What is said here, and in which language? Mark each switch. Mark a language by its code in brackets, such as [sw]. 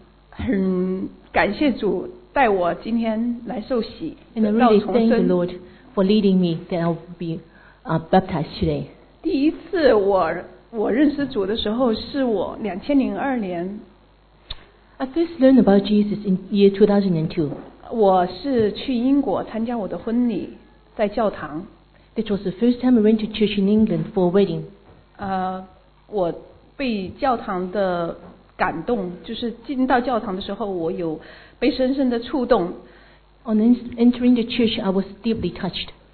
[zh] 很感谢主带我今天来受洗。 [en] And I really thank the Lord for leading me that I'll be baptized today. [zh] 第一次我认识主的时候是我2002年。 [en] I first learned about Jesus in year 2002. [zh] 我是去英国参加我的婚礼，在教堂。 [en] This was the first time I went to church in England for a wedding. [zh] 我被教堂的感动，就是进到教堂的时候，我有被深深的触动。 [en] On entering the church, I was deeply touched.